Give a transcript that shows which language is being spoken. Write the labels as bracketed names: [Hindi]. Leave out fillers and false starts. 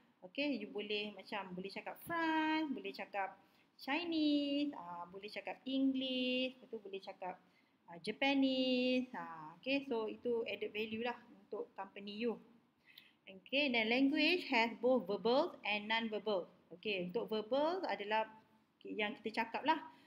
[Malay] Okay, you boleh macam boleh cakap French, boleh cakap Chinese, boleh cakap English, lepas tu boleh cakap Japanese. [English] Okay, so [Malay] itu [English] added value [Malay] lah untuk [English] company you. Okay, then language has both verbal and non-verbal. [Malay] Okay, untuk verbal adalah yang kita cakap lah.